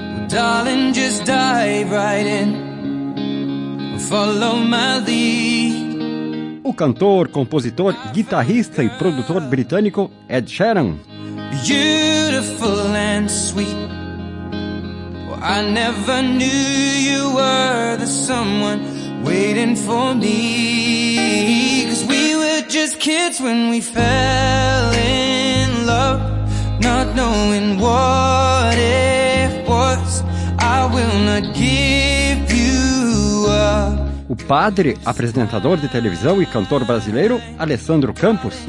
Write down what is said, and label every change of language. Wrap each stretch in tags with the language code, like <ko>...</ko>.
<en>Darling, just dive right in. Follow my lead.</en> <pt>O cantor, compositor, guitarrista e produtor britânico Ed Sheeran.</pt> <en>Beautiful and sweet. I never knew you were the someone waiting for me. 'Cause we were just kids when we fell in love, not knowing what it was. I will not give you up.</en> <pt>O padre, apresentador de televisão e cantor brasileiro Alessandro Campos.</pt>